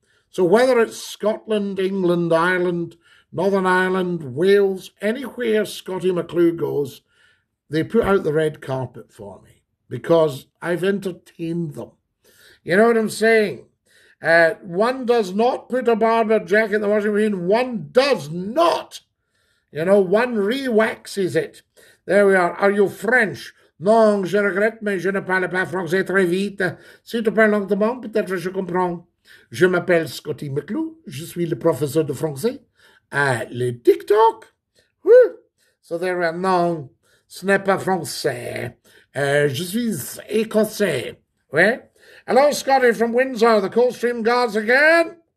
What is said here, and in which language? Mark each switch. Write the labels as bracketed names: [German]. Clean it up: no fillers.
[English] So whether it's Scotland, England, Ireland, Northern Ireland, Wales, anywhere Scotty McClure goes, they put out the red carpet for me, because I've entertained them. You know what I'm saying? One does not put a barber jacket in the washing machine. One does not. One re-waxes it. There we are. Are you French? [French] Non, je regrette, mais je ne parle pas français très vite. Si tu parles lentement, peut-être je comprends. Je m'appelle Scotty McClure. Je suis le professeur de français. [English] Le TikTok. So there we are. [French] Non, ce n'est pas français. Je suis écossais. Ouais? [English] Hello, Scotty from Windsor, the Coldstream Guards again.